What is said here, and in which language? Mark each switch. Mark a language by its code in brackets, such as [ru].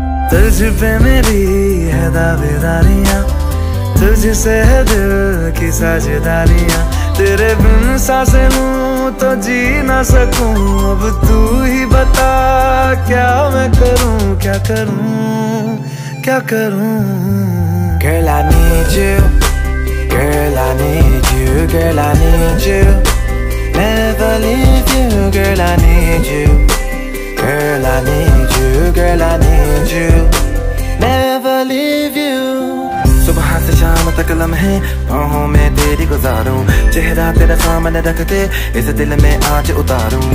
[hi] तुझ पे मेरी है दावेदारियां, तुझसे है दिल की साझेदारियां। तेरे बिन सांसें लूं तो जी ना सकूं, अब तू ही बता क्या मैं करूं, क्या करूं, क्या करूं। [en] Girl I need you, girl I need you, girl I need you, never leave you, girl I need you, girl I need you, girl I need you, never leave you। [hi] सुबह से शाम तक लम्हे पाँहों में तेरी गुजारूं, चेहरा तेरा सामने रखते इस दिल में आज उतारूं।